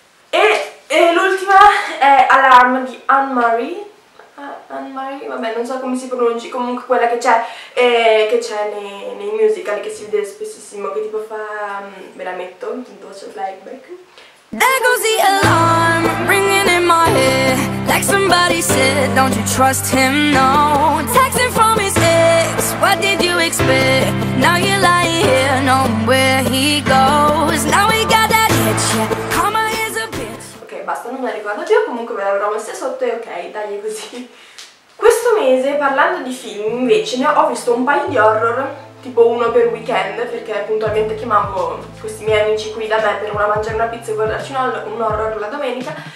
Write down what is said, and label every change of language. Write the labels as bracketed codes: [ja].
[it] E l'ultima è Alarm di Anne-Marie, vabbè, non so come si pronunci, comunque quella che c'è nei musical, che si vede spessissimo, che tipo fa, me la metto, intanto faccio il playback. [en] There goes the alarm ringing in my head, like somebody said, don't you trust him, no. Texting from his ex, what did you expect? Now you're lying here, knowing where he goes. Now he got that itch, yeah, karma is a bitch. [it] Ok, basta, non me la ricordo più, comunque ve l'avrò messa sotto e ok, dai, così. Questo mese, parlando di film, invece, ne ho visto un paio di horror, tipo uno per weekend, perché puntualmente chiamavo questi miei amici qui da me per una mangiare una pizza e guardarci un horror la domenica.